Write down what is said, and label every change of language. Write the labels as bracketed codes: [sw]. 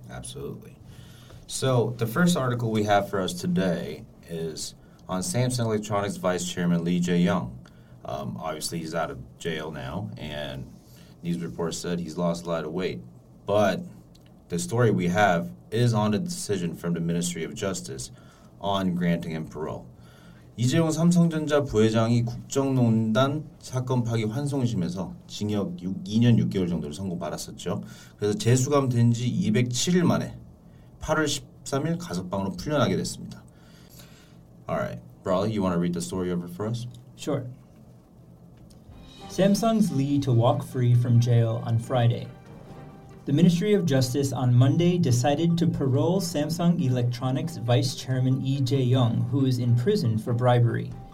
[en] Absolutely. So the first article we have for us today is on Samsung Electronics Vice Chairman Lee Jae-young. Obviously, he's out of jail now, and news reports said he's lost a lot of weight. But the story we have is on a decision from the Ministry of Justice on granting him parole. [ko] 이재용 삼성전자 부회장이 국정농단 사건 파기 환송심에서 징역 2년 6개월 정도를 선고받았었죠. 그래서 재수감된 지 207일 만에 8월 13일 가석방으로 풀려나게 됐습니다. [en] All right, Brawley, you want to read the story over for us? Sure. Samsung's Lee to walk free from jail on Friday. The Ministry of Justice on Monday decided to parole Samsung Electronics Vice Chairman Lee Jae-young, who is in prison for bribery.